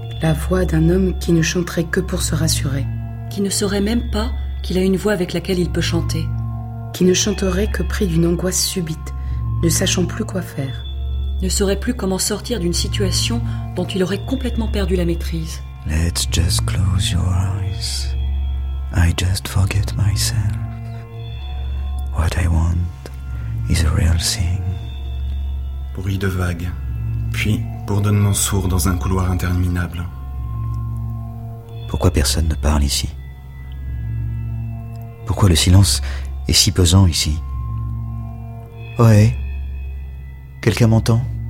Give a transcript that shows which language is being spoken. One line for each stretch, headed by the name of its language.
French: La voix d'un homme qui ne chanterait que pour se rassurer. Qui ne saurait même pas qu'il a une voix avec laquelle il peut chanter. Qui ne chanterait que pris d'une angoisse subite, ne sachant plus quoi faire. Ne saurait plus comment sortir d'une situation dont il aurait complètement perdu la maîtrise.
English: Let's just close your eyes. I just forget myself. What I want is a real thing.
French: Bruit de vagues, puis bourdonnement sourd dans un couloir interminable. Pourquoi personne ne parle ici? Pourquoi le silence est si pesant ici? Ohé, quelqu'un m'entend?